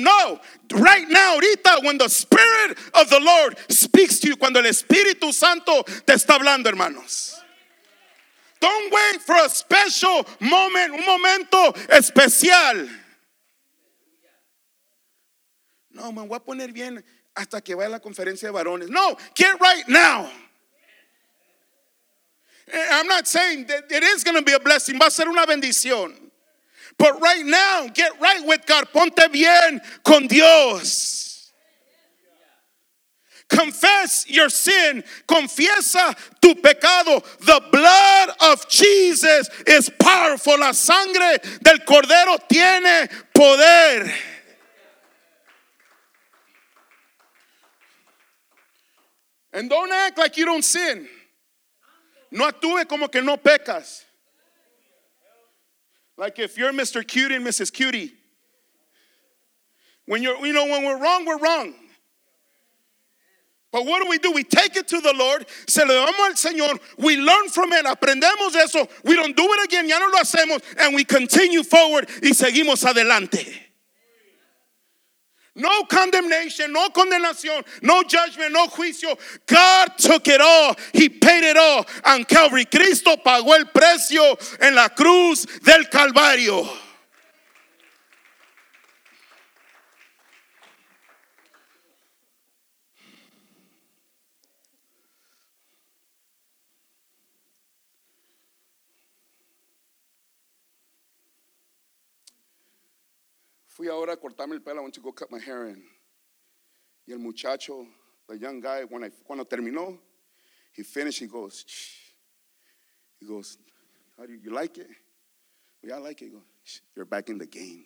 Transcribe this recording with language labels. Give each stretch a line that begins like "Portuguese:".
English: No, right now,
Spanish: ahorita,
English: when the Spirit of the Lord speaks to you,
Spanish: cuando el Espíritu Santo te está hablando, hermanos.
English: Don't wait for a special moment,
Spanish: un momento especial. No, me voy a poner bien hasta que vaya a la conferencia de varones.
English: No, get right now. I'm not saying that it is going to be a blessing.
Spanish: Va a ser una bendición.
English: But right now, get right with God.
Spanish: Ponte bien con Dios.
English: Confess your sin.
Spanish: Confiesa tu pecado.
English: The blood of Jesus is powerful.
Spanish: La sangre del Cordero tiene poder.
English: And don't act like you don't sin.
Spanish: No actúe como que no pecas.
English: Like if you're Mr. Cutie and Mrs. Cutie. When you're, you know, when we're wrong, we're wrong. But what do? We take it to the Lord.
Spanish: Se lo damos al Señor.
English: We learn from it.
Spanish: Aprendemos eso.
English: We don't do it again.
Spanish: Ya no lo hacemos.
English: And we continue forward.
Spanish: Y seguimos adelante.
English: No condemnation,
Spanish: no condenación,
English: no judgment,
Spanish: no juicio.
English: God took it all. He paid it all.
Spanish: And Calvary, Cristo pagó el precio en la cruz del Calvario. Fui ahora a cortarme el pelo.
English: I went to go cut my hair in.
Spanish: Y el muchacho,
English: the young guy,
Spanish: cuando terminó,
English: he finished, he goes, shh. He goes, how do you like it? Yeah, I like it. He goes, shh, you're back in the game.